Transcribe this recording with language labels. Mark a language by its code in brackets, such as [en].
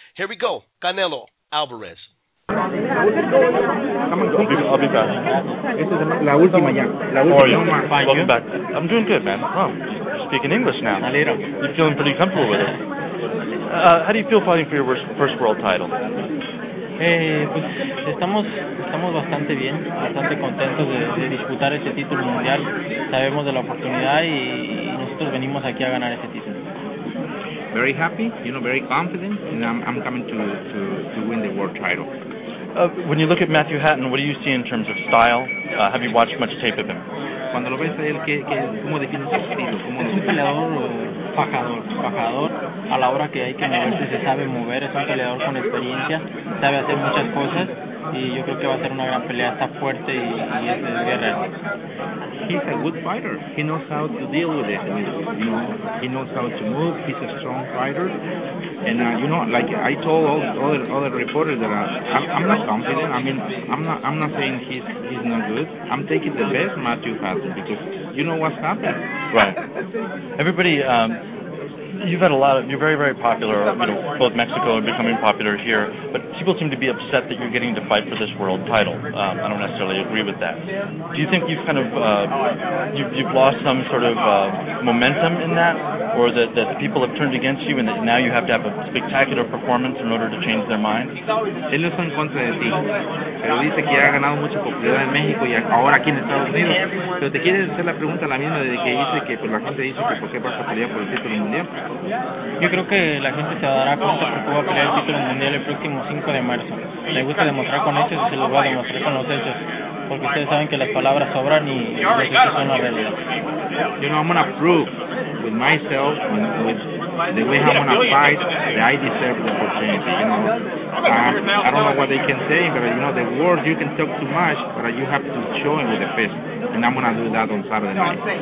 [en] Here we go. Canelo Alvarez. I'll be back. This is [es] la última ya. [en] How are you? Welcome back. I'm doing good, man. No problem. You're speaking English now. You're feeling pretty comfortable with it. How do you feel fighting for your first world title? [es] Estamos bastante bien, bastante contentos de disputar ese título mundial. Sabemos de la oportunidad y nosotros venimos aquí a ganar ese título. [en] Very happy, you know, very confident, and I'm coming to win the world title. When you look at Matthew Hatton, what do you see in terms of style? Have you watched much tape of him? [es] Cuando lo ves a él, ¿qué cómo define su estilo? ¿Cómo es un peleador fajador, a la hora que hay que moverse, se sabe mover, es un peleador con experiencia, sabe hacer muchas cosas, y yo creo que va a ser una gran pelea, está fuerte y es guerrero. [en] He's a good fighter, he knows how to deal with it, you know, he knows how to move, he's a strong fighter, and you know, like I told all the other reporters that I'm not confident, I mean, I'm not saying he's not good, I'm taking the best Matthew Hatton, because you know what's happening. Right. Everybody, you've had a lot of, you're very, very popular, you know, both Mexico and becoming popular here, but people seem to be upset that you're getting to fight for this world title. I don't necessarily agree with that. Do you think you've kind of, you've lost some sort of momentum in that, or that people have turned against you and that now you have to have a spectacular performance in order to change their mind? [es] Él no está en contra de ti, pero dice que ha ganado mucha popularidad en México y ahora aquí en Estados Unidos. Pero te quiere hacer la pregunta la misma de que dice que la gente dice que por qué vas a pelear por el título mundial. Yo creo que la gente se dará cuenta por qué va a pelear el título mundial el próximo 5 de marzo. Le gusta demostrar con hechos y se lo va a demostrar con los hechos. Porque ustedes saben que las palabras sobran y los hechos son la realidad. [en] You know, I'm going to prove with myself, with the way I'm going to fight, that I deserve the opportunity. You know, I don't know what they can say, but you know, the words, you can talk too much, but you have to show it with the fist. And I'm going to do that on Saturday night.